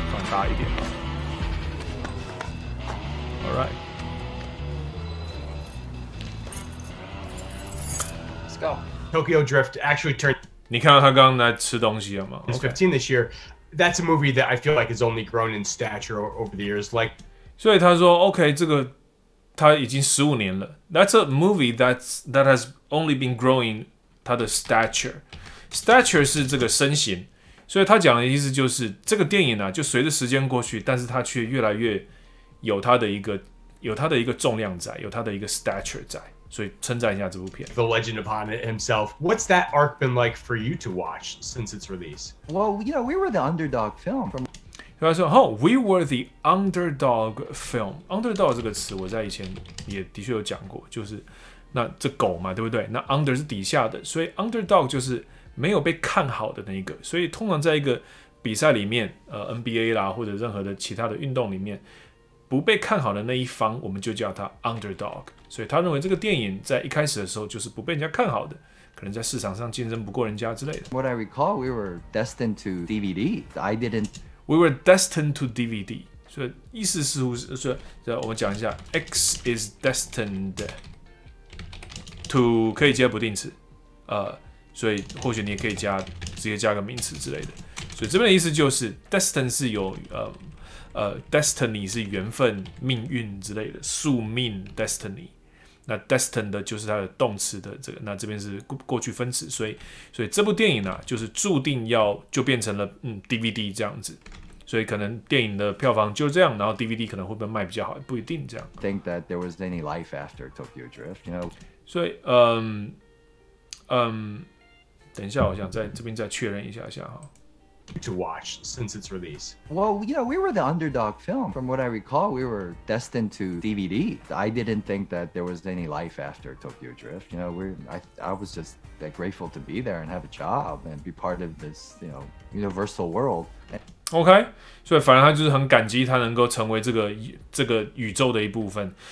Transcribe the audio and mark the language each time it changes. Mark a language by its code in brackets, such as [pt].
[zh] 大一点。 [en] All right. Let's go. Tokyo Drift actually turned. [zh] 你看到他刚刚在吃东西了吗 [en] ？He's 15 this year. That's a movie that I feel like has only grown in stature over the years. Like, [zh] 所以他说 ，OK， 这个他已经十五年了。 [en] That's a movie that has only been growing. [zh] 他的 stature， stature 是这个身形。所以他讲的意思就是，这个电影呢、啊，就随着时间过去，但是他却越来越有他的一个重量在，有他的一个 stature 在，所以称赞一下这部片。 [en] The Legend of Han himself, what's that arc been like for you to watch since its release? Well, you know, we were the underdog film. [zh] 所以他说，哦、 [en] oh, ，we were the underdog film. [zh] Underdog 这个词，我在以前也的确有讲过，就是那这狗嘛，对不对？那 under 是底下的，所以 underdog 就是。没有被看好的那一个，所以通常在一个比赛里面，NBA 啦或者任何的其他的运动里面，不被看好的那一方，我们就叫他 underdog。所以他认为这个电影在一开始的时候就是不被人家看好的，可能在市场上竞争不过人家之类的。 [en] What I recall, we were destined to DVD. I didn't. We were destined to DVD. [zh] 所以意思似乎是说，我们讲一下 ， [en] X is destined to [zh] 可以接不定词，所以或许你也可以加直接加个名词之类的，所以这边的意思就是 destiny 是有 destiny 是缘分、命运之类的宿命 destiny， 那 destined 就是它的动词的这个，那这边是过去分词，所以这部电影呢、啊、就是注定要就变成了DVD 这样子，所以可能电影的票房就这样，然后 DVD 可能会不会卖比较好，不一定这样。 [en] Think that there was any life after Tokyo Drift, you know? [zh] 所以等一下，我想在这边再确认一下下哈。 [en] To watch since its release. Well, you know, we were the underdog film. From what I recall, we were destined to DVD. I didn't think that there was any life after Tokyo Drift. You know, I was just that grateful to be there and have a job and be part of this, you know, universal world. [zh] OK， 所以反正他就是很感激他能够成为这个宇宙的一部分。